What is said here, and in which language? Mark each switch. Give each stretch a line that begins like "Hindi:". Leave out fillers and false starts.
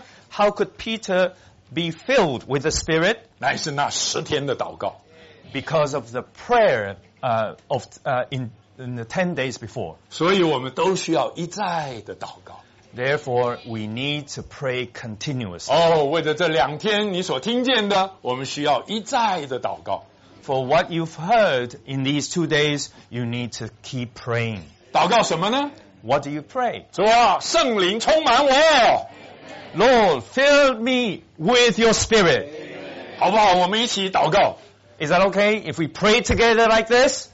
English: How could Peter be filled with the Spirit?
Chinese: 乃是那十天的祷告。
English: Because of the prayer in the 10 days before.
Chinese: 所以我们都需要一再的祷告。
English: Therefore, we need to pray continuously.
Chinese: 哦，为着这两天你所听见的，我们需要一再的祷告。
English: For what you've heard in these 2 days, you need to keep praying.
Chinese: 祷告什么呢？
English: What do you pray?
Chinese: 主啊，圣灵充满我。
English: Lord, fill me with your spirit.
Chinese: 好不好？我们一起祷告。
English: Is that okay if we pray together like this?